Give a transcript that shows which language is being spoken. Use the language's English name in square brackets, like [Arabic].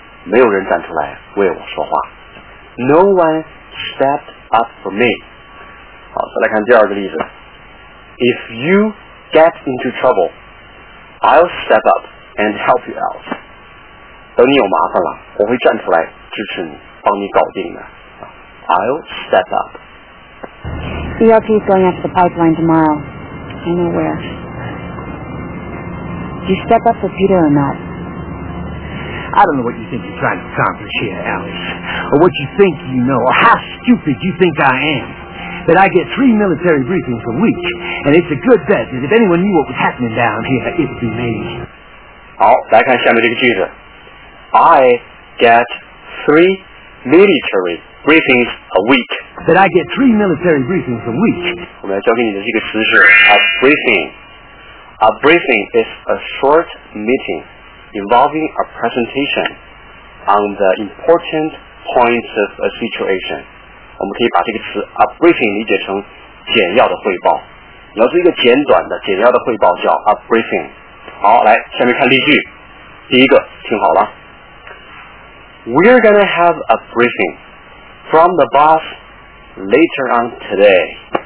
[Chinese] 在会议上，别人批斗我的时候，没有人站出来为我说话。 [English] No one stepped up for me. [Chinese] 好，再来看第二个例子。 [English] If you get into trouble, I'll step up and help you out. [Chinese] 等你有麻烦了，我会站出来支持你，帮你搞定的。 [English] I'll step up. ELT's going out to the pipeline tomorrow. I know where. Do you step up for Peter or not? I don't know what you think you're trying to accomplish here, Alice. Or what you think you know, or how stupid you think I am. That I get 3 military briefings a week, and it's a good bet that if anyone knew what was happening down here, it would be me. [Chinese] 好，来看下面这个句子。 [English] I get 3 military briefings a week. That I get 3 military briefings a week. [Chinese] 我们要教给你的这个词是 a briefing. [English] A briefing is a short meeting involving a presentation on the important points of a situation. [Chinese] 我们可以把这个词 a briefing 理解成简要的汇报，然后这个简短的简要的汇报叫 a briefing. 好，来下面看例句。第一个，听好了。 [English] We're gonna have a briefing from the boss later on today.